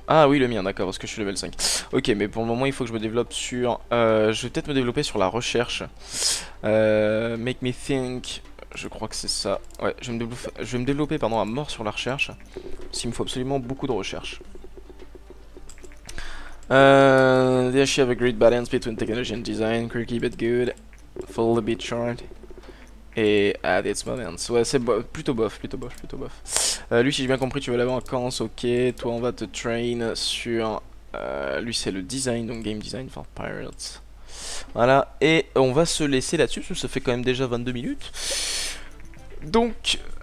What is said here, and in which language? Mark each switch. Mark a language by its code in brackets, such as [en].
[fr] Ah oui, le mien, d'accord, parce que je suis level 5. Ok, mais pour le moment, il faut que je me développe sur. Je vais peut-être me développer sur la recherche. [en] Make me think. [fr] Je crois que c'est ça. Ouais, je vais me développer, pardon, à mort sur la recherche. S'il me faut absolument beaucoup de recherche. [en] They have a great balance between technology and design. Quirky but good. Follow the beat chart. Et at this moment. [fr] Ouais, c'est bo plutôt bof, plutôt bof, plutôt bof. Lui, si j'ai bien compris, tu veux aller en vacances, ok. Toi, on va te train sur. Lui, c'est le design, donc [en] game design for pirates. [fr] Voilà, et on va se laisser là-dessus, parce que ça fait quand même déjà 22 minutes. Donc.